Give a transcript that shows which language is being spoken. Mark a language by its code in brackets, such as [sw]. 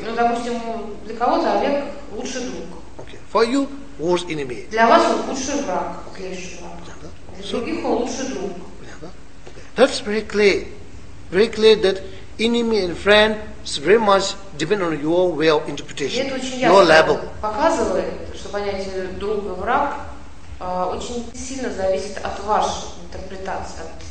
[ru] Ну, допустим, для кого-то Олег лучший друг. [en] Okay. For you, worst enemy. [ru] Для вас он худший враг, клейший враг. Для других он лучший друг. [en] Yeah, okay. That's very clear. Very clear that enemy and friend is very much depend on your way of interpretation. [ru] Это очень ясно. [en] Your level. [ru] Показывает, что понятие друг и враг очень сильно зависит от вашей интерпретации.